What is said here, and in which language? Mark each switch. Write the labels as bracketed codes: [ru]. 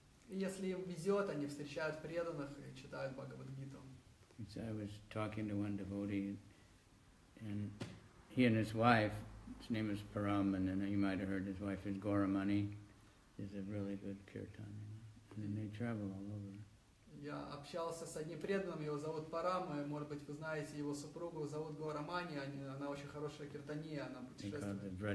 [ru] И если им везет, они встречают преданных и читают Бхагавад-гиту. [en] So I was talking to one devotee, and he and his wife, his name is Param, and then you might have heard his wife is Gauramani, is a really good kirtan, you know? And then they travel all over. [ru] Я общался с одним преданным, его зовут Парам, и, может быть, вы знаете его супругу, зовут Гаурамани, она очень хорошая киртания, она путешествует.